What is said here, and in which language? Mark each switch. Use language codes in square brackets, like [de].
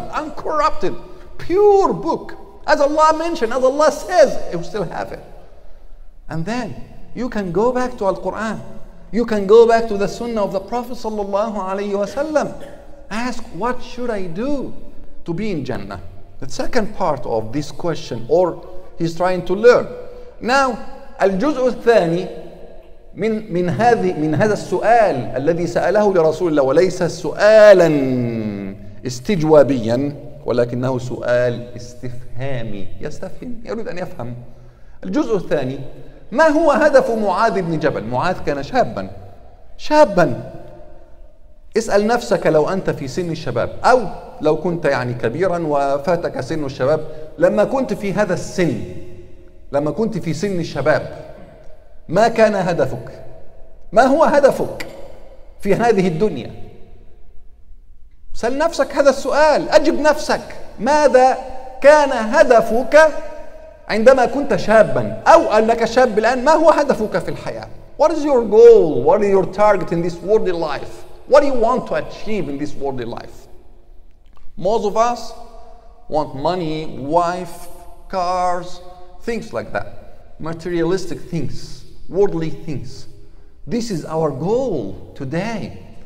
[en] Uncorrupted, pure book. As Allah mentioned, as Allah says, it will still have it. And then you can go back to Al-Quran. You can go back to the sunnah of the Prophet sallallahu alayhi wa sallam. Ask, what should I do to be in Jannah? The second part of this question, or he's trying to learn. Now, [ar] الجزء الثاني من هذا السؤال الذي سأله لرسول الله وليس سؤالا استجوابيا ولكنه سؤال استفهامي يستفهم يريد أن يفهم. الجزء الثاني, ما هو هدف معاذ بن جبل؟ معاذ كان شابا. اسأل نفسك لو أنت في سن الشباب أو لو كنت يعني كبيرا وفاتك سن الشباب, لما كنت في هذا السن, لما كنت في سن الشباب, ما كان هدفك؟ ما هو هدفك في هذه الدنيا؟ سأل نفسك هذا السؤال, أجب نفسك, ماذا كان هدفك عندما كنت شابا أو أنك شاب الآن؟ ما هو هدفك في الحياة؟ [en] What is your goal? What is your target in this worldly life? What do you want to achieve in this worldly life? Most of us want money, wife, cars, things like that. Materialistic things, worldly things. This is our goal today.